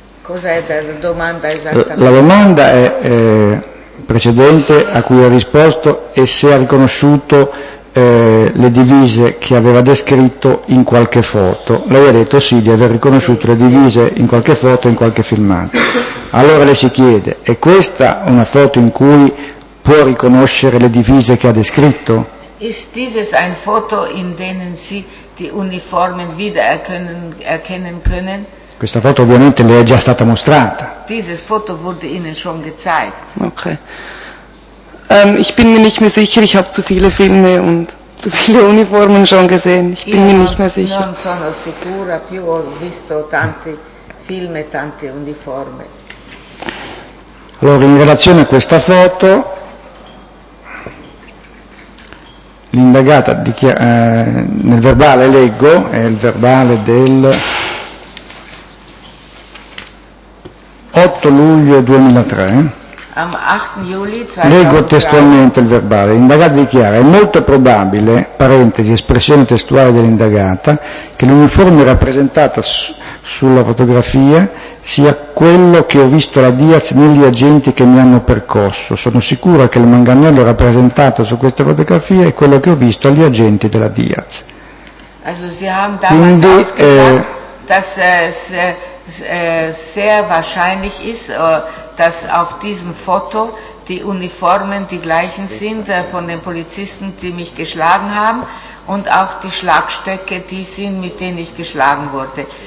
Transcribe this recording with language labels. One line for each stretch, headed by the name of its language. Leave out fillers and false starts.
Italian: La domanda è precedente a cui ha risposto e se ha riconosciuto le divise che aveva descritto in qualche foto. Lei ha detto sì di aver riconosciuto le divise in qualche foto e in qualche filmato. Allora le si chiede, è questa una foto in cui può riconoscere le divise che ha descritto?
German: Ist dieses ein Foto in denen Sie die Uniformen erkennen können?
Italian: Questa foto ovviamente le è già stata mostrata.
German: Dieses Foto wurde Ihnen schon gezeigt. Okay. Ich bin mir nicht mehr sicher, ich habe zu viele Filme und zu viele Uniformen schon gesehen. Ich bin mir nicht mehr sicher.
Italian: Non sono sicura, più ho visto tanti filme, tante uniformi. Allora, in relazione a questa foto, l'indagata dichiara, nel verbale leggo, è il verbale del 8 luglio 2003,
German: am
Italian: 8 luglio 2003. Leggo testualmente il verbale, l'indagata dichiara, è molto probabile, parentesi, espressione testuale dell'indagata, che l'uniforme rappresentata sulla fotografia sia quello che ho visto la Diaz negli agenti che mi hanno percosso. Sono sicura che il manganello rappresentato su questa fotografia è quello che ho visto agli agenti della Diaz.
German: Also, Sie haben damals
Italian: quindi,
German: dass es sehr wahrscheinlich ist, dass auf diesem Foto die Uniformen die gleichen sind von den Polizisten, die mich geschlagen haben. Und auch die Schlagstöcke, die sind, mit denen ich geschlagen wurde.